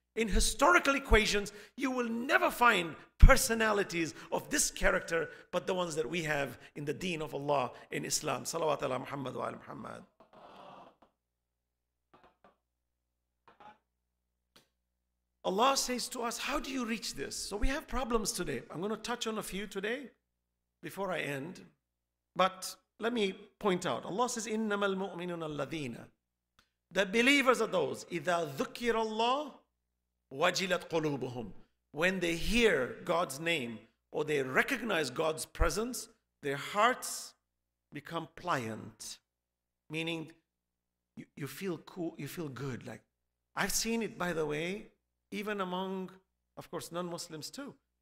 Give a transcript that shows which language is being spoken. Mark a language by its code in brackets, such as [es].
[en] In historical equations, you will never find personalities of this character, but the ones that we have in the deen of Allah in Islam. [ar] Salawat ala Muhammad wa ala Muhammad. [en] Allah says to us, how do you reach this? So we have problems today. I'm going to touch on a few today before I end. But let me point out. Allah says, [ar] إِنَّمَا الْمُؤْمِنُونَ الَّذِينَ. [en] The believers are those, [ar] إِذَا ذُكِّرَ اللَّهُ وَجِلَتْ قُلُوبُهُمْ. [en] When they hear God's name or they recognize God's presence, their hearts become pliant. Meaning, you feel cool, you feel good. Like, I've seen it, by the way, even among, of course, non-Muslims too.